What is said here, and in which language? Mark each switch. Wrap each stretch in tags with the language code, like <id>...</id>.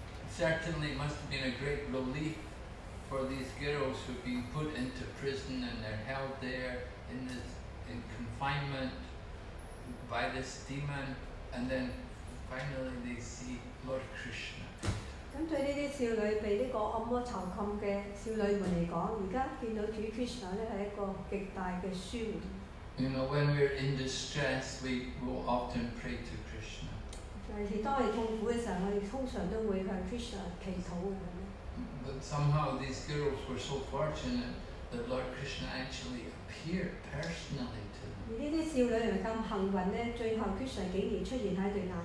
<en>certainly it must have been a great relief for these girls who've been put into prison and they're held there in this in confinement by this demon, and then finally they see Lord Krishna.</en> <yue>咁对呢啲少女被呢个恶魔囚禁嘅少女们嚟讲，而家见到主 Krishna 咧系一个极大嘅舒缓。</yue> <en>You know, when we're in distress, we will often pray to Krishna. But somehow these girls were so fortunate that Lord Krishna actually appeared personally to them.</en>